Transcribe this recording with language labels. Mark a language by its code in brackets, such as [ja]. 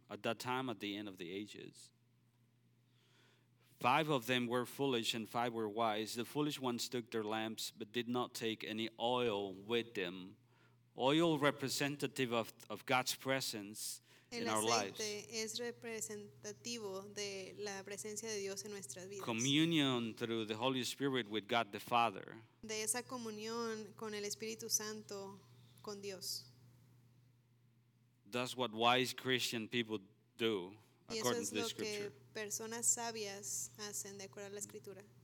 [en] At that time, at the end of the ages, 5 of them were foolish and 5 were wise. The foolish ones took their lamps but did not take any oil with them. Oil representative of God's presence in our lives. [es] Es representativo de la presencia de Dios en nuestras vidas. [en] Communion through the Holy Spirit with God the Father. [es] De esa comunión con el Espíritu Santo, con Dios. [en] That's what wise Christian people do. According to the scripture, [es] que personas sabias hacen de acuerdo a la escritura.